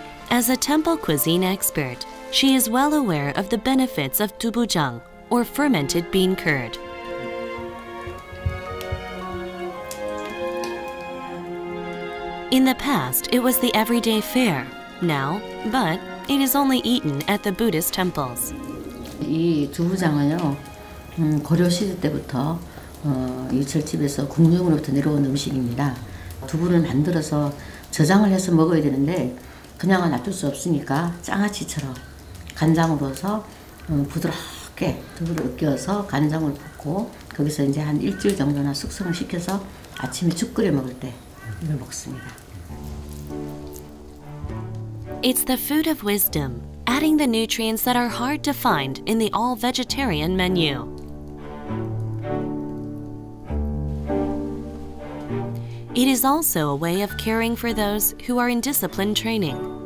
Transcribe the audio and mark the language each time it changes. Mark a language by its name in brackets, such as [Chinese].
[English] As a temple cuisine expert, she is well aware of the benefits of dubujang, or fermented bean curd. In the past, it was the everyday fare. Now, but it is only eaten at the Buddhist temples. [Korean] 이 두부장은요, 고려 시대 때부터 유철집에서 궁중으로부터 내려온 음식입니다. 두부를 만들어서 저장을 해서 먹어야 되는데 그냥은 놔둘 수 없으니까 장아찌처럼 간장으로서 부드럽게 두부를 으깨어서 간장을 붓고 거기서 이제 한 일주일 정도나 숙성을 시켜서 아침에 죽 끓여 먹을 때 이걸 먹습니다. [English] It's the food of wisdom, adding the nutrients that are hard to find in the all-vegetarian menu. It is also a way of caring for those who are in discipline training.